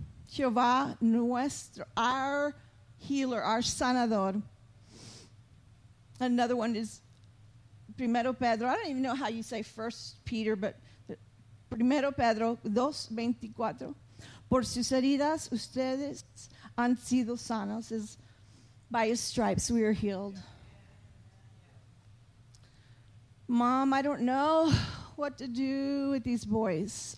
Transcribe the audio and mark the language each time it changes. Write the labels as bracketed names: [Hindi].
[English] Jehovah [Spanish] nuestro, [English] our healer, our [Spanish] sanador. [English] Another one is Primero Pedro. I don't even know how you say First Peter, but Primero Pedro 2:24. [Spanish] Por sus heridas ustedes han sido sanos. [English] Is by his stripes we are healed. Mom, I don't know what to do with these boys.